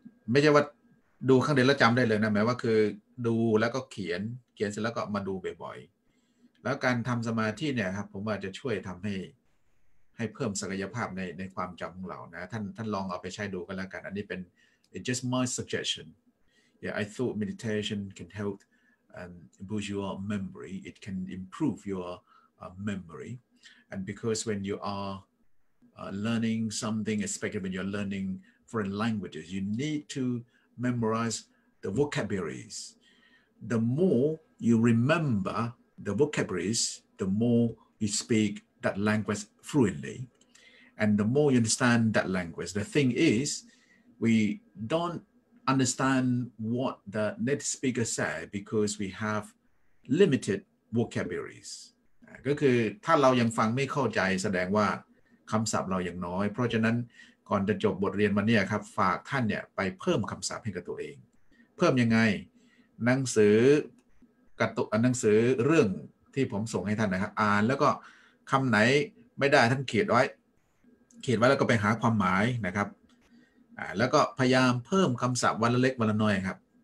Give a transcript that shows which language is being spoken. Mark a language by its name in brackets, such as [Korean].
[Thai] ไม่ใช่ว่าดูครั้งเดียวแล้วจำได้เลยนะหมายว่าคือดูแล้วก็เขียนเสร็จแล้วก็มาดูบ่อยๆแล้วการทำสมาธิเนี่ยครับผมว่าจะช่วยทำให้เพิ่มศักยภาพในความจำของเรานะท่านลองเอาไปใช้ดูก็แล้วกันอันนี้เป็น [English] It's just my suggestion. Yeah, I thought meditation can help boost your memory. It can improve your memory. And because when you are learning something, especially when you're learning foreign languages, you need to memorize the vocabularies. The more you remember the vocabularies, the more you speak that language fluently. And the more you understand that language. The thing is,We don't understand what the native speaker said because we have limited vocabularies. [Thai] ก็คือถ้าเรายังฟังไม่เข้าใจแสดงว่าคำศัพท์เรายังน้อยเพราะฉะนั้นก่อนจะจบบทเรียนมาเนี่ยครับฝากท่านเนี่ยไปเพิ่มคำศัพท์ให้กับตัวเองเพิ่มยังไงหนังสือกระตุกหนังสือเรื่องที่ผมส่งให้ท่านนะครับอ่านแล้วก็คำไหนไม่ได้ท่านเขียนไว้แล้วก็ไปหาความหมายนะครับแล้วก็พยายามเพิ่มคำศัพท์วันละเล็กวันละน้อยครับ